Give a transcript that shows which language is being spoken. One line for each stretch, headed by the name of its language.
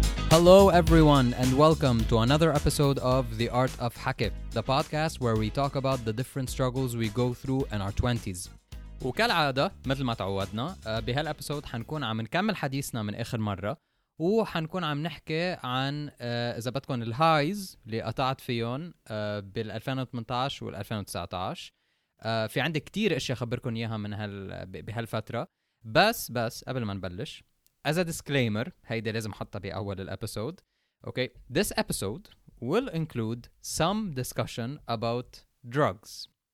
English: Hello, everyone, and welcome to another episode of The Art of Hakit, the podcast where we talk about the different struggles we go through in our 20s.
Arabic: وكالعادة مثل ما تعودنا بهالأبسود حنكون عم نكمل حديثنا من آخر مرة وحنكون عم نحكي عن إذا بدكم الهايز اللي قطعت فيهم بال2018 وال2019 في عندي كتير إشي أخبركم إياها من بهالفترة بس قبل ما نبلش
English: as a disclaimer
Arabic: هيدا لازم حطها بأول الأبسود okay.
English: This episode will include some discussion about drugs.